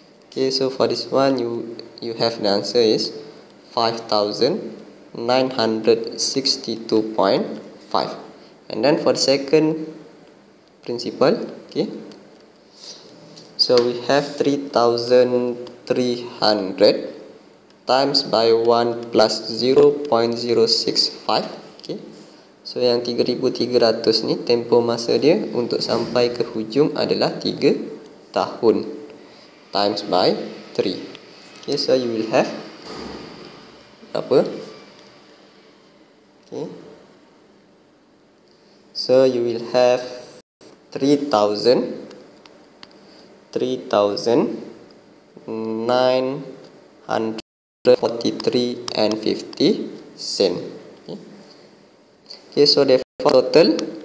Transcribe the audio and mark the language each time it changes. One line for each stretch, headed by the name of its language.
English: Okay, so for this one, you have the answer is 5,962.5. And then for the second principle, okay, so we have 3,300 times by 1 plus 0.065.
Malay: Okay, so yang 3,300 ni tempoh masa dia untuk sampai ke hujung adalah 3 tahun
English: times by 3. Okay, so you will have berapa? Okay, so you will have 3,943.50. Okay, so therefore total